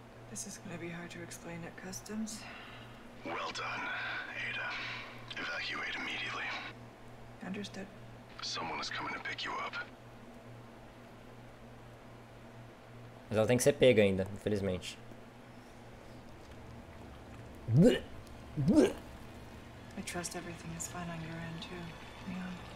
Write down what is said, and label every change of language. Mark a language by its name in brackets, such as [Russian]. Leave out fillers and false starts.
[English] This is gonna be hard to explain at customs. Well done, Ada. Evacuate immediately. Understood. Someone is coming to pick you up. [Portuguese] Mas ela tem que ser pega ainda, infelizmente. [English] I trust everything is fine on your end too, Leon.